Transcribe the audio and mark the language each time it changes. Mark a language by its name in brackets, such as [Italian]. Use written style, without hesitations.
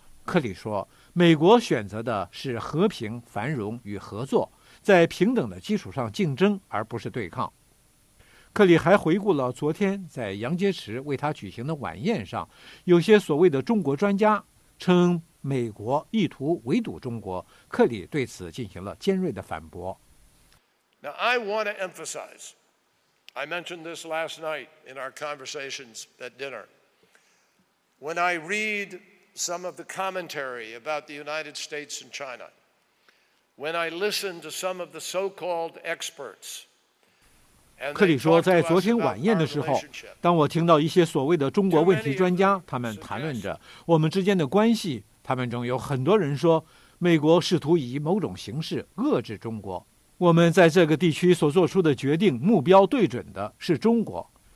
[Chinese] 克里说，美国选择的是和平、繁荣与合作，在平等的基础上竞争，而不是对抗。克里还回顾了昨天在杨洁篪为他举行的晚宴上，有些所谓的中国专家称美国意图围堵中国，克里对此进行了尖锐的反驳。 [English] Now I want to emphasize, I mentioned this last night in our conversations at dinner. When I read some of the commentary about the United States and China, when I listen to some of the so-called experts. [Chinese] 克里说，在昨天晚宴的时候，当我听到一些所谓的中国问题专家，他们谈论着我们之间的关系，他们中有很多人说，美国试图以某种形式遏制中国。我们在这个地区所做出的决定，目标对准的是中国。